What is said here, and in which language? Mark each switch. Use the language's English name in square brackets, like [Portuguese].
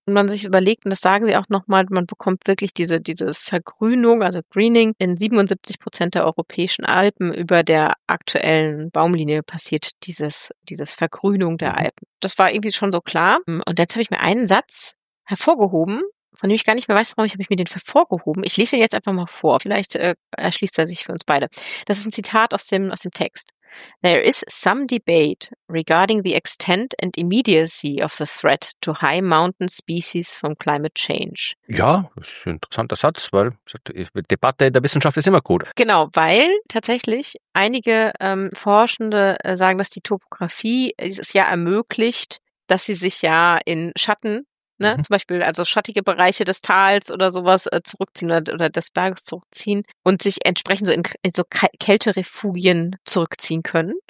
[German] Und man sich überlegt, und das sagen sie auch nochmal, man bekommt wirklich diese Vergrünung, also Greening, in 77% der europäischen Alpen über der aktuellen Baumlinie passiert dieses Vergrünung der Alpen. Das war irgendwie schon so klar. Und jetzt habe ich mir einen Satz hervorgehoben, von dem ich gar nicht mehr weiß, warum ich habe mich mir den hervorgehoben. Ich lese ihn jetzt einfach mal vor. Vielleicht erschließt er sich für uns beide. Das ist ein Zitat aus dem Text. [English] There is some debate regarding the extent and immediacy of the threat to high mountain species from climate change. [German] Ja, das ist ein interessanter Satz, weil Debatte in der Wissenschaft ist immer gut. Genau, weil tatsächlich einige Forschende sagen, dass die Topografie es ja ermöglicht, dass sie sich ja in Schatten, ne, zum Beispiel also schattige Bereiche des Tals oder sowas zurückziehen oder des Berges zurückziehen und sich entsprechend so in so Kälterefugien zurückziehen können.